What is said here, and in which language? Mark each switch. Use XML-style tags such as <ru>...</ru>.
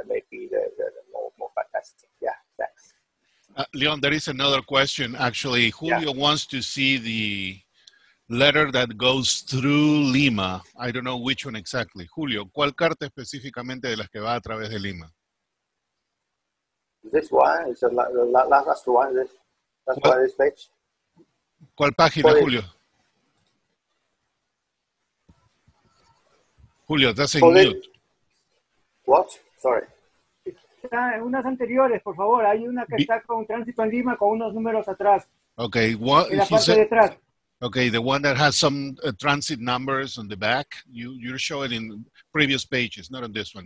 <en>Maybe the more interesting, maybe the more fantastic. Yeah, thanks. Leon, there is another question, actually. Julio wants to see the letter that goes through Lima. I don't know which one exactly.</en> <es>Julio, ¿cuál carta específicamente de las que va a través de Lima?</es> <en>This one is the last one. This page.</en> <es>¿Cuál página, 40. Julio?</es> <en>Julio, that's in mute. What? Sorry.</en> <es>Está en unas anteriores, por favor. Hay una que está con tránsito en Lima con unos números atrás.</es> <en>Okay. The one that has some transit numbers on the back. You're showing in previous pages, not on this one.</en>